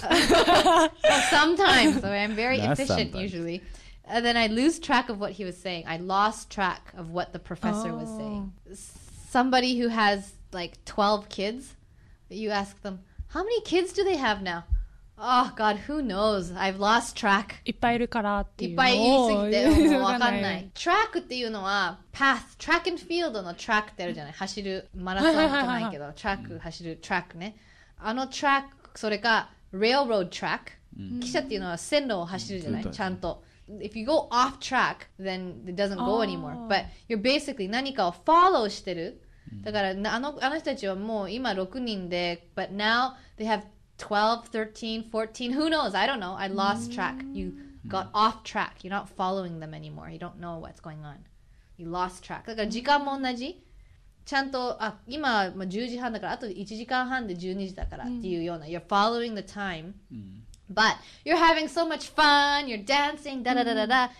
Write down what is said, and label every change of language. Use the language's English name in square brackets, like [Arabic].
[English] sometimes, so I'm very That's efficient、sometimes. Usually. And then I lose track of what he was saying. I lost track of what the professor、oh. was saying. Somebody who has like 12 kids, you ask them, how many kids do they have now? Oh God, who knows? I've lost track. [Japanese] いっぱいいるからっていう。いっぱい言いすぎて、もうわかんない。 Track っていうのは、path、track and field の track ってあるじゃない。走る、マラソンじゃないけど、track、走る、track ね。あの track、それか、railroad track。汽車っていうのは線路を走るじゃない、ちゃんと。 [English] If you go off track, then it doesn't go anymore. But you're basically 何かを follow してる。だから、あの人たちはもう今6人で、 but now they have 12, 13, 14, who knows? I don't know. I lost track. You got off track. You're not following them anymore. You don't know what's going on. You lost track. だから時間も同じ。 [Japanese] ちゃんと、あ、今は10時半だから、あと1時間半で12時だからっていうような。 [English] You're following the time, but you're having so much fun, you're dancing, da-da-da-da-da.